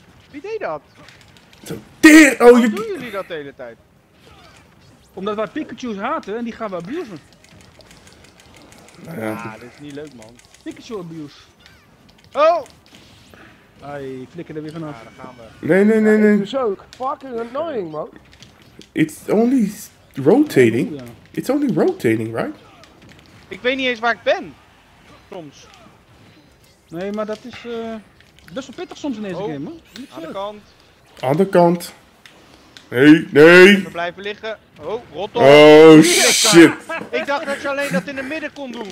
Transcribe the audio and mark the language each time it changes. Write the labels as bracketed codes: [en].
[nl] Wie deed dat? Zo teer... Oh, Waarom je... doen jullie dat de hele tijd? Omdat wij Pikachu's haten en die gaan we abusen. Ja, dit is niet leuk, man. Pikachu abuse. Oh! Hij flikker er weer vanaf. Ja, daar gaan we. Nee. [en] Zo, fucking annoying, man. It's only rotating. It's only rotating, right? [nl] Ik weet niet eens waar ik ben. Soms. Nee, maar dat is best wel pittig soms in deze game, man. Aan de kant. Nee. We blijven liggen. Oh, rot op. Oh, shit. Ik dacht dat je alleen dat in het midden kon doen.